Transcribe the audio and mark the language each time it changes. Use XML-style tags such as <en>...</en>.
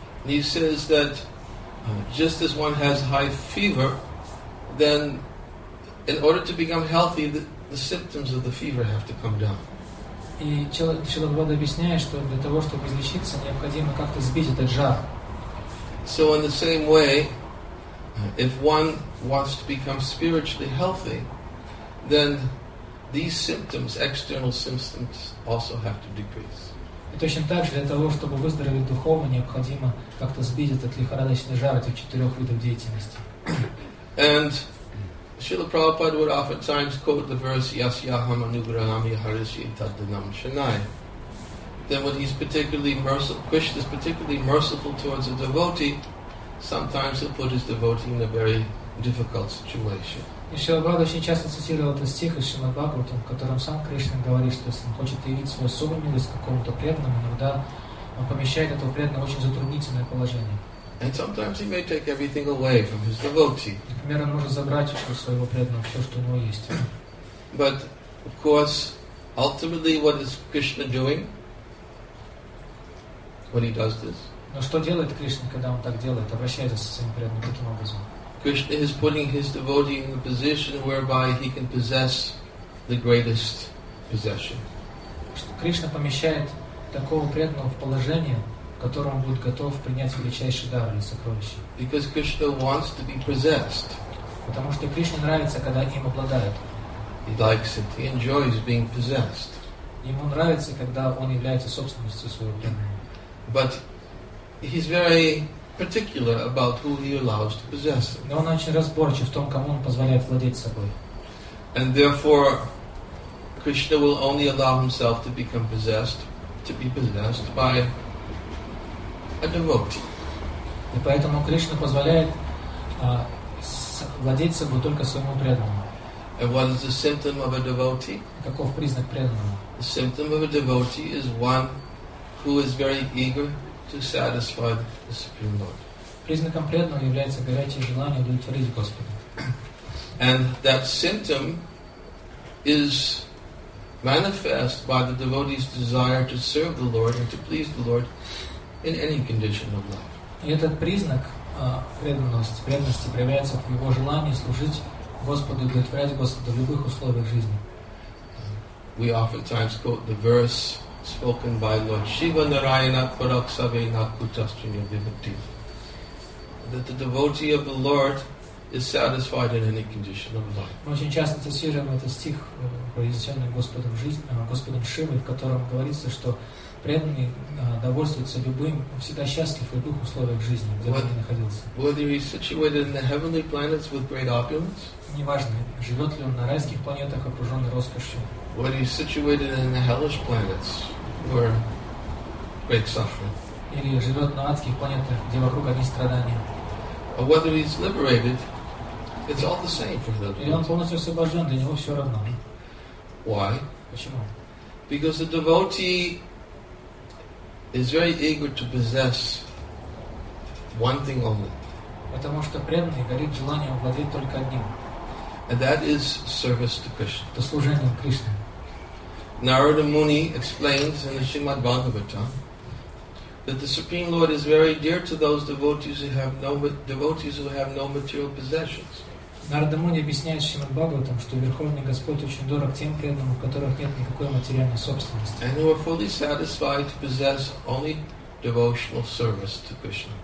<en>He says that just as one has high fever, then in order to become healthy, the symptoms of the fever have to come down.</en> <ru>И Шрила Прабхупада объясняет, что для того, чтобы излечиться, необходимо как-то сбить этот жар.</ru> <en>So in the same way, if one wants to become spiritually healthy, then these symptoms, external symptoms, also have to decrease.</en> <ru>И точно так же, для того, чтобы выздороветь духовно, необходимо как-то сбить этот лихорадочный жар этих четырех видов деятельности.</ru> <en>And Srila Prabhupada would oftentimes quote the verse</en> <sa>Yasyaham Anugrahami Harishi Taddanam Shanai.</sa> <en>Then when he's particularly merciful, Krishna is particularly merciful towards a devotee, sometimes he'll put his devotee in a very difficult situation.</en> <ru>И Шрила Прабхупада очень часто цитировал этот стих из Шрила Бхагаватам, в котором сам Кришна говорит, что если он хочет явить свою особую милость какому-то преданному, иногда он помещает этого преданного в очень затруднительное положение.</ru> <en>And sometimes he may take everything away from his devotee.</en> <ru>Например, он может забрать у своего преданного все, что у него есть.</ru> <en>But, of course, ultimately, what is Krishna doing when he does this?</en> <ru>Но что делает Кришна, когда он так делает, обращается со своим преданным таким образом?</ru> <en>Krishna is putting his devotee in a position whereby he can possess the greatest possession.</en> <ru>Кришна помещает такого преданного в положение, в котором он будет готов принять величайший дар или сокровище.</ru> <en>Because Krishna wants to be possessed.</en> <ru>Потому что Кришне нравится, когда им обладают.</ru> <en>He likes it. He enjoys being possessed.</en> <ru>Ему нравится, когда он является собственностью своего.</ru> <en>But he's very particular about who he allows to possess.</en> <ru>Но он очень разборчив в том, кому он позволяет владеть собой.</ru> <en>And therefore, Krishna will only allow himself to become possessed, to be possessed by a devotee.</en> <ru>И поэтому Кришна позволяет владеть собой только своему преданному.</ru> <en>And what is the symptom of a devotee?</en> <ru>Каков признак преданного?</ru> <en>The symptom of a devotee is one who is very eager to satisfy the Supreme Lord.</en> <ru>Признаком преданного является горячее желание удовлетворить Господа.</ru> <en>And that symptom is manifest by the devotee's desire to serve the Lord and to please the Lord in any condition of life.</en> <ru>И этот признак преданности проявляется в его желании служить Господу, удовлетворять Господа в любых условиях жизни.</ru> <en>We oftentimes quote the verse spoken by Lord Shiva</en> <sa>Narayana Paraksave Nakutastriya Vibhakti.</sa> <en>That the devotee of the Lord is satisfied in any condition of life.</en> <ru>Мы очень часто цитируем этот стих, произнесенный Господом Господом Шивой, в котором говорится, что преданный довольствуется любым, всегда счастлив в любых условиях жизни, где бы ни находился.</ru> <en>Whether he's situated in the heavenly planets with great opulence.</en> <ru>Неважно, живет ли он на райских планетах, окруженный роскошью.</ru> <en>Whether he's situated in the hellish planets where great suffering.</en> <ru>Или живет на адских планетах, где вокруг одни страдания.</ru> <en>Or whether he's liberated, it's all the same for him.</en> <ru>Или он полностью освобожден, для него все равно.</ru> <en>Why?</en> <ru>Почему?</ru> <en>Because the devotee is very eager to possess one thing only.</en> <ru>Потому что преданный горит желанием владеть только одним.</ru> <en>And that is service to Krishna.</en> <ru>Это служение Кришне.</ru> <en>Narada Muni explains in the Srimad Bhagavatam that the Supreme Lord is very dear to those devotees who have no material possessions.</en> <ru>Narada Muni объясняет Шримад Бхагаватам, что Верховный Господь очень дорог тем преданным, у которых нет никакой материальной собственности.</ru> <en>And who are fully satisfied to possess only devotional service to Krishna.</en>